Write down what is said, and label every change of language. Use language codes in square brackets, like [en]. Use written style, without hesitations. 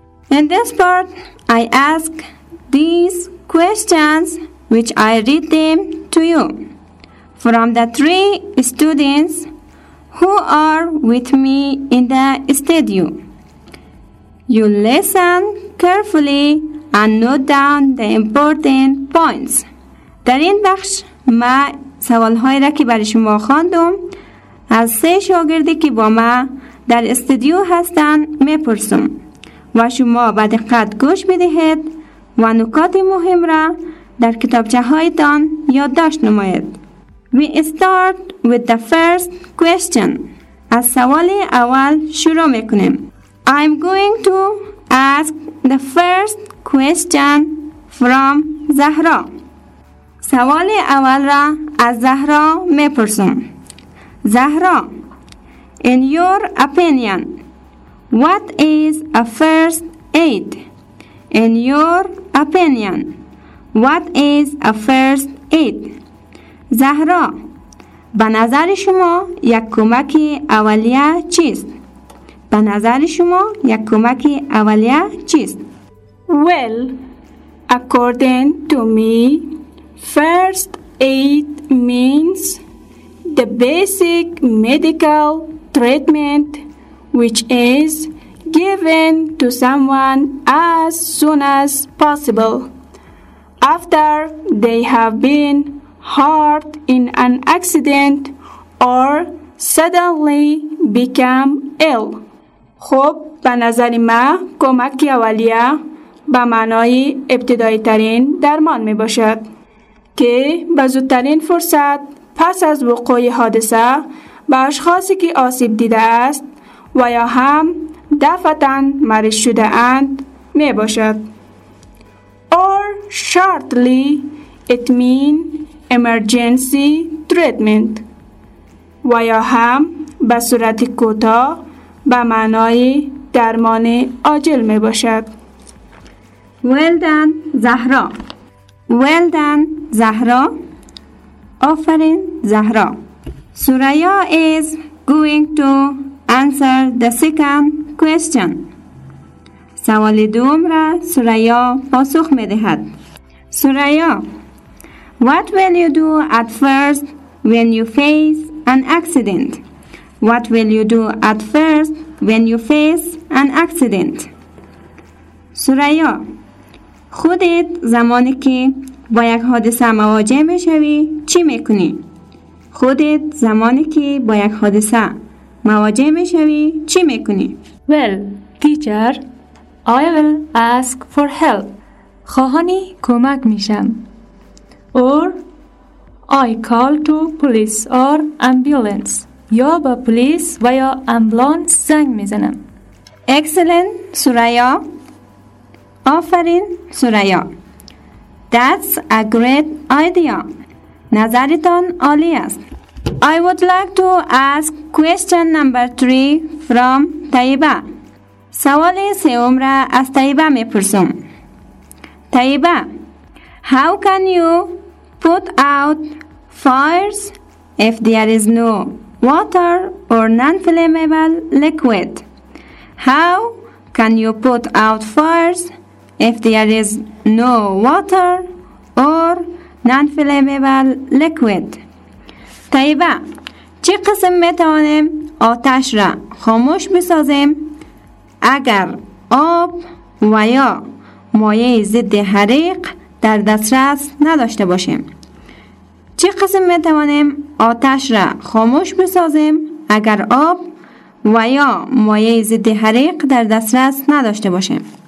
[en] In this part, I ask these questions which I read them to you. From the three students who are with me in the studio, you listen carefully and note down the important points. [fa] در این بخش ما سوالهای را که برای شما خواندم از سه شاگردی که با ما در استودیو هستند میپرسم و شما به دقت گوش بدهید و نکات مهم را در کتابچه هایتان یادداشت نمایید. [en] We start with the first question. [fa] از سوال اول شروع میکنیم. [en] I'm going to ask the first question from زهرا. [fa] سوال اول را از زهرا میپرسم. [en] زهرا, in your opinion, what is a first aid? In your opinion, what is a first aid? [fa] زهرا, به نظر شما یک کمک اولیه چیست؟ به نظر شما یک کمک اولیه چیست؟ [en] Well, according to me, first aid means the basic medical treatment which is given to someone as soon as possible after they have been hurt in an accident or suddenly become ill. [fa] خب به نظر ما کمک اولیه به معنای ابتدایی ترین درمان می باشد که به زودترین فرصت پس از وقوع حادثه به اشخاصی که آسیب دیده است و یا هم دفعتاً مریض شده اند می باشد. [en] Or shortly, it mean emergency treatment. [fa] و یا هم به صورت کوتاه به معنای درمان عاجل می باشد. [en] Well done, زهرا. Well done, زهرا. [fa] آفرین زهرا. [en] سوریا is going to answer the second question. [fa] سوال دوم را سوریا پاسخ می دهد. [en] سوریا, what will you do at first when you face an accident? What will you do at first when you face an accident? [fa] سوریا, خودت زمانی که با یک حادثه مواجه می شوی چی می کنی؟ خودت زمانی که با یک حادثه مواجه می شوی چی می کنی؟ [en] Well, teacher, I will ask for help. [fa] خواهانی کمک می شم. [en] Or I call to police or ambulance. [fa] یا با پلیس و یا امبولانس زنگ می زنم. [en] Excellent, سوریا. [fa] آفرین سوریا. [en] That's a great idea. [fa] نظرتان عالی است. [en] I would like to ask question number 3 from Taiba. [fa] سوال سوم را از Taiba میپرسم. [en] Taiba, how can you put out fires if there is no water or non-flammable liquid? How can you put out fires if there is no water or non-flammable liquid? [fa] طیبه, چه قسم میتوانیم آتش را خاموش بسازیم اگر آب و یا مایع ضد حریق در دسترس نداشته باشیم؟ چه قسم میتوانیم آتش را خاموش بسازیم اگر آب و یا مایع ضد حریق در دسترس نداشته باشیم؟